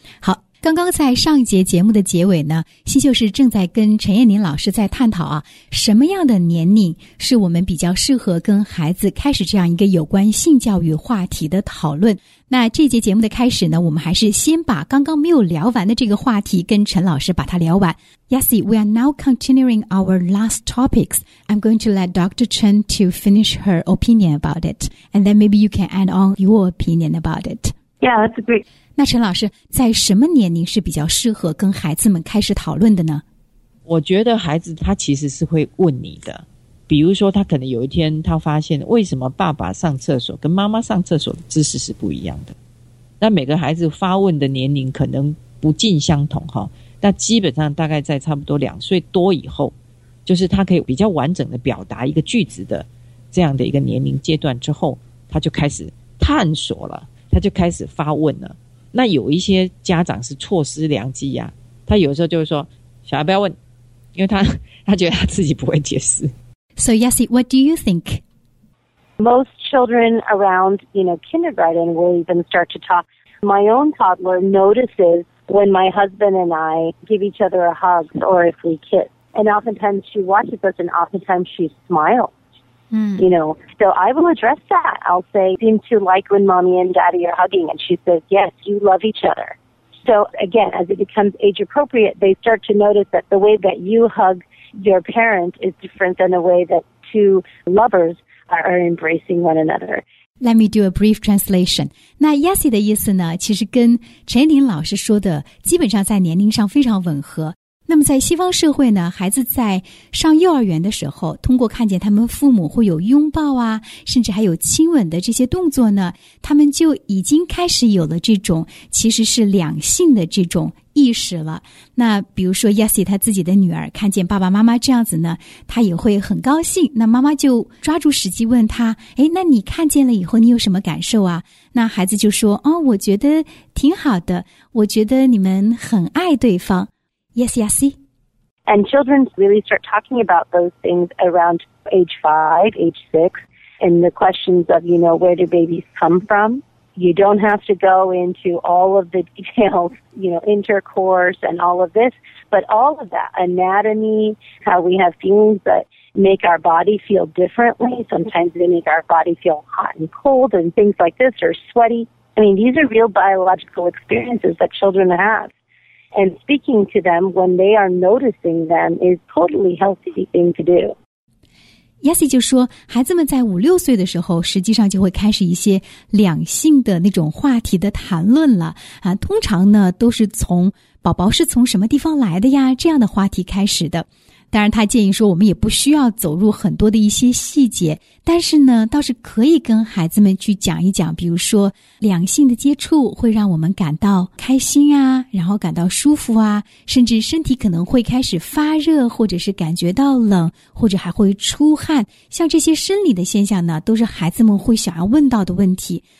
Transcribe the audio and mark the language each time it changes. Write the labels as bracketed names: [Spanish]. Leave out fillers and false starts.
[Chinese] 好，刚刚在上一节节目的结尾呢，新秀是正在跟陈彦宁老师在探讨啊，什么样的年龄是我们比较适合跟孩子开始这样一个有关性教育话题的讨论。那这节节目的开始呢，我们还是先把刚刚没有聊完的这个话题跟陈老师把它聊完。 [English] Yasi, we are now continuing our last topics. I'm going to let Dr. Chen to finish her opinion about it. And then maybe you can add on your opinion about it. Yeah, that's great. [Chinese] 那陈老师在什么年龄是比较适合跟孩子们开始讨论的呢？我觉得孩子他其实是会问你的，比如说他可能有一天他发现为什么爸爸上厕所跟妈妈上厕所的姿势是不一样的，那每个孩子发问的年龄可能不尽相同，那基本上大概在差不多两岁多以后，就是他可以比较完整的表达一个句子的这样的一个年龄阶段之后，他就开始探索了，他就开始发问了。那有一些家长是错失良机啊，他有时候就会说小孩不要问，因为他觉得他自己不会解释。 [English] So Yasi, what do you think? Most children around, you know, kindergarten will even start to talk. My own toddler notices when my husband and I give each other a hug or if we kiss. And oftentimes she watches us and oftentimes she smilesYou know, so I will address that. I'll say, seem to like when mommy and daddy are hugging. And she says, yes, you love each other. So again, as it becomes age appropriate, they start to notice that the way that you hug your parent is different than the way that two lovers are embracing one another. Let me do a brief translation. [Chinese] 那 Yasi 的意思呢，其实跟陈宁老师说的基本上在年龄上非常吻合。那么在西方社会呢，孩子在上幼儿园的时候，通过看见他们父母会有拥抱啊，甚至还有亲吻的这些动作呢，他们就已经开始有了这种其实是两性的这种意识了。那比如说 Yasi 他自己的女儿看见爸爸妈妈这样子呢，他也会很高兴，那妈妈就抓住时机问他，诶，那你看见了以后你有什么感受啊？那孩子就说，哦，我觉得挺好的，我觉得你们很爱对方。 [English] Yes, yes, see. And children really start talking about those things around age 5, age 6. and the questions of, you know, where do babies come from? You don't have to go into all of the details, you know, intercourse and all of this, but all of that, anatomy, how we have feelings that make our body feel differently. Sometimes they make our body feel hot and cold and things like this, or sweaty. I mean, these are real biological experiences that children have. And speaking to them when they are noticing them is totally healthy thing to do. [Chinese] Yassi 就说，孩子们在五六岁的时候，实际上就会开始一些两性的那种话题的谈论了啊。通常呢，都是从宝宝是从什么地方来的呀这样的话题开始的。当然，他建议说，我们也不需要走入很多的一些细节，但是呢，倒是可以跟孩子们去讲一讲，比如说两性的接触会让我们感到开心啊，然后感到舒服啊，甚至身体可能会开始发热，或者是感觉到冷，或者还会出汗，像这些生理的现象呢，都是孩子们会想要问到的问题。